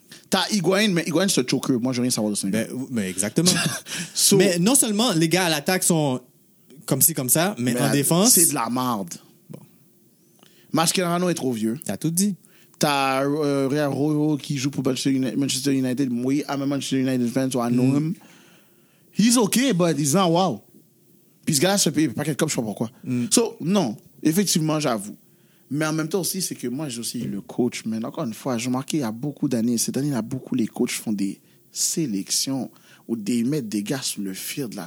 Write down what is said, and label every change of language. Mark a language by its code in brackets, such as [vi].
[fr] T'as Higuain, mais Higuain, c'est un choker. Moi, je veux rien savoir de ça. Mais exactement. Mais non seulement les gars à l'attaque sont comme ci, comme ça, mais en défense. C'est de la merde. Bon. Mascherano est trop vieux. T'as tout dit. T'as Real Rojo qui joue pour Manchester United. [en] Oui, I'm a Manchester United fan, so I know him. He's okay, but he's not wow. [fr] Puis ce gars-là se paye, pas quelqu'un, je sais pas pourquoi. Mm. So, non, effectivement, j'avoue. Mais en même temps aussi, c'est que moi, j'ai aussi le coach, mais encore une fois, j'ai remarqué il y a beaucoup d'années, cette année-là, beaucoup les coachs font des sélections ou des mettent des gars sur le field, là.